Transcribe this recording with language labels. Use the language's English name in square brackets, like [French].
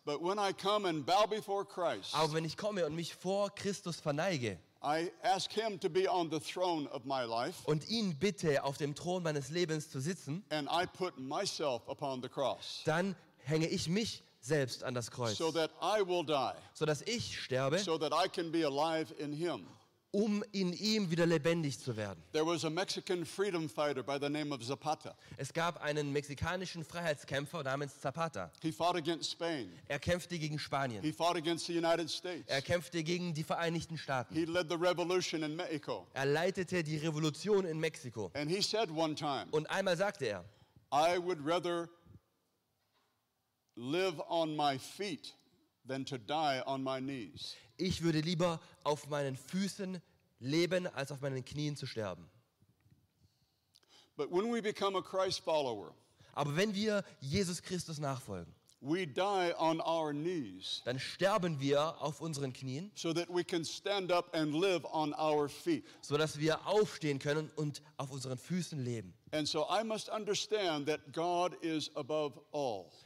[English] But when I come and bow before Christ, [German] aber wenn ich komme und mich vor Christus verneige, [English] I ask him to be on the throne of my life. [German] Und ihn bitte, auf dem Thron meines Lebens zu sitzen. [English] And I put myself upon the cross. [German] Dann hänge ich mich selbst an das Kreuz. [English] So that I will die. [German] So dass ich sterbe. [English] So that I can be alive in him. [German] Um in ihm wieder lebendig zu werden. [English] There was a Mexican freedom fighter by the name of Zapata. [German] Es gab einen mexikanischen Freiheitskämpfer namens Zapata. [English] He fought against Spain. [German] Er kämpfte gegen Spanien. [English] He fought against the United States. [German] Er kämpfte gegen die Vereinigten Staaten. [English] He led the revolution in Mexico. [German] Er leitete die Revolution in Mexiko. [English] And he said one time, [German] und einmal sagte er, [English] I would rather live on my feet than to die on my knees. [German] Ich würde lieber auf meinen Füßen leben, als auf meinen Knien zu sterben. [English] But when we become a Christ follower, [German] aber wenn wir Jesus Christus nachfolgen, [English] we die on our knees, [German] dann sterben wir auf unseren Knien, [English] so that we can stand up and live on our feet, [German] so dass wir aufstehen können und auf unseren Füßen leben. [English] And so I must understand that God is above all.